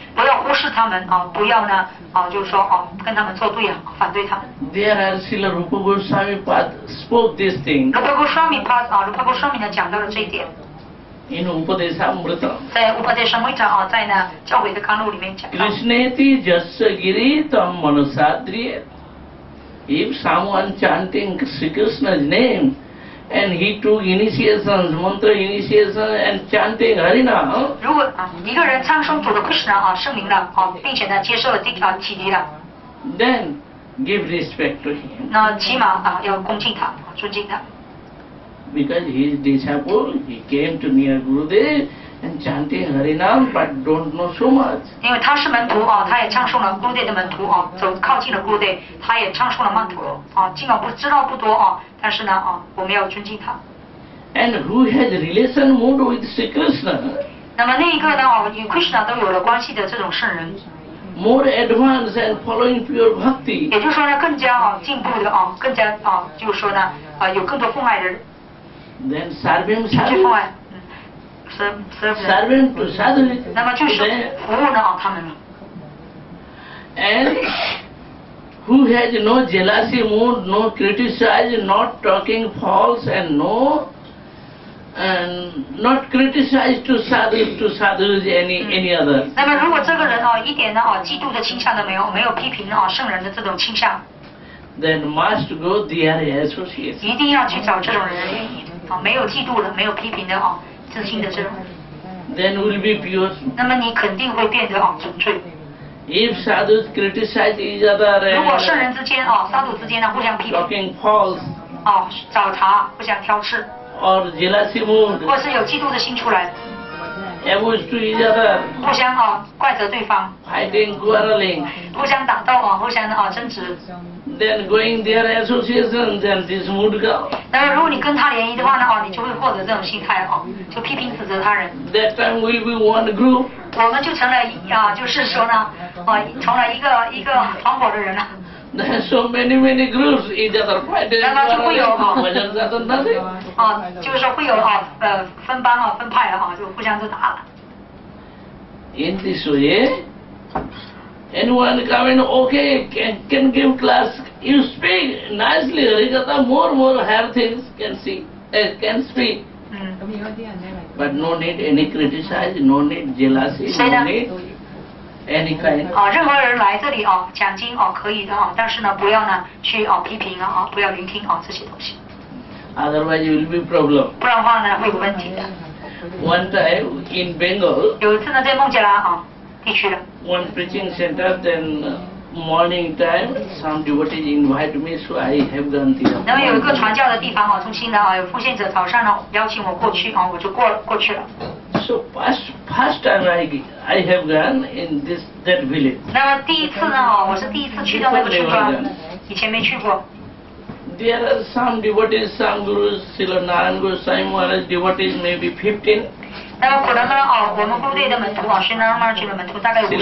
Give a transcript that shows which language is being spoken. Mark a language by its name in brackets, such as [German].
[Chinese] 不要忽视他们，不要跟他们作对，反对他们。 [English] There are Srila Rupa Goswami Pad spoke this thing. [Chinese] Rupa Goswami讲到了这一点。 [English] In Upadeshamrita. [Chinese] 在《Upadeshamrita》在教诲的纲录里面讲到。 [Sanskrit] Krishneti jasya giri tam manasadriya. [English] If someone chanting Sri Krishna's name, and he took initiation, mantra initiation and chanting Harina. [Chinese] 如果一个人唱诵读了 Krishna 啊，圣名了啊，并且呢接受了定啊启迪了 [English] ，then give respect to him. [Chinese] 那起码啊要恭敬他，尊敬他。 [English] Because he is disciple, he came to near Gurudev and chanting Harinam, but don't know so much. [Chinese] 因为他是门徒啊，他也唱诵了 Gurudev 的门徒啊，走靠近了 Gurudev， 他也唱诵了曼陀啊，尽管不知道不多啊，但是呢啊，我们要尊敬他。 [English] And who has relation mode with Sri Krishna? [Chinese] 那么那一个呢啊，与 Krishna 都有了关系的这种圣人。 [English] More advanced and following pure bhakti. [Chinese] 也就是说呢，更加啊进步的啊，更加啊，就是说呢啊，有更多奉爱的人。 [English] Then serving serving to Sadhu, [Chinese] 那么就是服务呢他们。 [English] And who has no jealousy mood, no criticize, not talking false, and not criticize to Sadhu's any other. [Chinese] 那么如果这个人啊一点呢啊嫉妒的倾向都没有，没有批评啊圣人的这种倾向。 [English] Then must go there associate. [Chinese] 一定要去找这种人。没有嫉妒的，没有批评的啊，自信的这种。 [English] Then will be pure. [Chinese] 那么你肯定会变得啊纯粹。 [English] If sadhus criticize each other, [Chinese] 如果圣人之间啊，沙土之间呢互相批评。 [English] Talking false. [Chinese] 啊，找茬，互相挑刺。 [English] Or jealousy mood. [Chinese] 或是有嫉妒的心出来。 [English] Abuse to each other. [Chinese] 互相啊怪责对方。 [English] Fighting, quarreling. [Chinese] 互相打斗啊，互相啊争执。 [English] Then going their association, then this mood go. [Chinese] 但是如果你跟他联谊的话呢，哦，你就会获得这种心态哦，就批评指责他人。 [English] That time we will be one group. [Chinese] 我们就成了啊，就是说呢，哦，成了一个团伙的人了。 [English] Then so many groups each other fighting. [Chinese] 那么就会有啊，互相在争斗。啊，就是说会有啊，分班啊，分派啊，就互相就打了。 [English] In this way. Anyone coming? Okay, can give class. You speak nicely. Harikatha, more higher things can speak. But no need any criticize, no need jealousy, no need any kind. [Chinese] 啊，任何人来这里啊，讲经啊，可以的啊，但是呢，不要呢去啊批评啊，不要聆听啊这些东西。 [English] Otherwise, you will be problem. [Chinese] 不然的话呢，会有问题的。 [English] One time in Bengal. [Chinese] 有一次呢，在孟加拉啊。 [English] One preaching center, then morning time, some devotees invite me, so I have gone there. [Chinese] 那么有一个传教的地方啊，中心的啊，有奉献者早上呢邀请我过去啊，我就过去了。 [English] So first time I have gone in that village. [Chinese] 那么第一次呢啊，我是第一次去到那个村庄，以前没去过。 [English] There are some devotees, some gurus, Srila Narayan Gosai Maharaj devotees, maybe 15. [Chinese] 那么可能呢啊，我们宫内的门徒啊，是那么几个门徒，大概五十个。